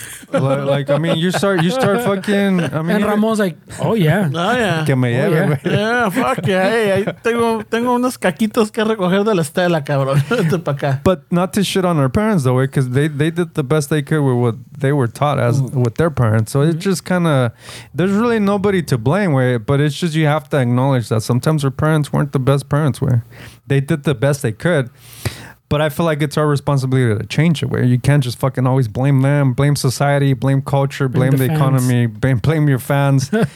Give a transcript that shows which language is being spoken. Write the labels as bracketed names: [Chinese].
[English] Like, I mean, you start fucking, I mean, and Ramon's like, oh yeah. Oh yeah. [Spanish] Que me lleve, [English] yeah. Yeah, fuck yeah. [Spanish] Hey, tengo unos caquitos que recoger de la estela, cabrón. [English] But not to shit on our parents though, because they did the best they could with what they were taught as with their parents. So it's just kind of, there's really nobody to blame, way, but it's just, you have to acknowledge that sometimes our parents weren't the best parents, way. They did the best they could. But I feel like it's our responsibility to change it, where you can't just fucking always blame them, blame society, blame culture, blame the economy, blame your fans.